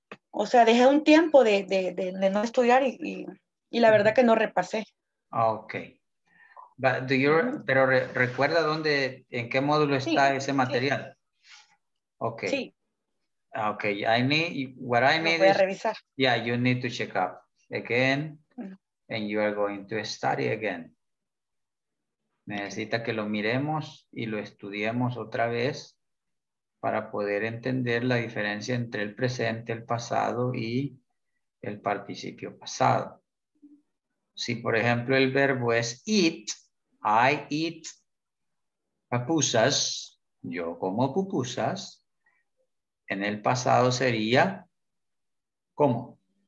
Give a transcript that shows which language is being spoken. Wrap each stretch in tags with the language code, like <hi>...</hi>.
<es>O sea, dejé un tiempo de no estudiar y la verdad que no repasé.</es> <en>Ok.</en> <es>Pero recuerda dónde, en qué módulo está ese material. Sí.</es> <en>Ok.</en> <es>Sí.</es> <en>Ok, what I need</en> <es>voy a revisar.</es> <en>Yeah, you need to check up again and you are going to study again.</en> <es>Necesita que lo miremos y lo estudiemos otra vez para poder entender la diferencia entre el presente, el pasado y el participio pasado. Si, por ejemplo, el verbo es</es> <en>eat, I eat pupusas,</en> <es>yo como pupusas, en el pasado sería, ¿cómo?</es>